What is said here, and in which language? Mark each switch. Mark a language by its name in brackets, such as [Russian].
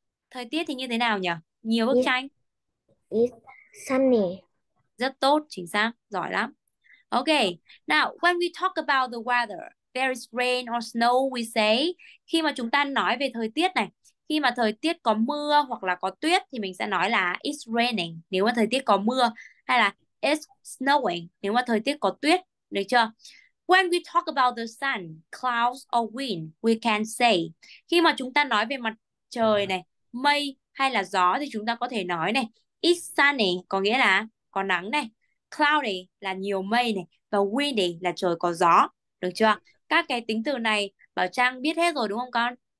[Vietnamese] Thời tiết thì như thế nào nhỉ? Nhiều bức [English] It [Vietnamese] tranh. [English] sunny. [Vietnamese] Rất tốt, chính xác, giỏi lắm. [English] Okay, now when we talk about the weather, there is rain or snow, we say. [Vietnamese] Khi mà chúng ta nói về thời tiết này, khi mà thời tiết có mưa hoặc là có tuyết thì mình sẽ nói là [English] it's raining [Vietnamese] nếu mà thời tiết có mưa, hay là [English] it's snowing [Vietnamese] nếu mà thời tiết có tuyết, được chưa? [English] When we talk about the sun, clouds or wind, we can say. [Vietnamese] Khi mà chúng ta nói về mặt trời này, mây hay là gió thì chúng ta có thể nói này, [English] it's sunny [Vietnamese] có nghĩa là có nắng này, cloudy là nhiều mây này, và windy là trời có gió. Được chưa? Các cái tính từ này Bảo Trang biết hết rồi đúng không con?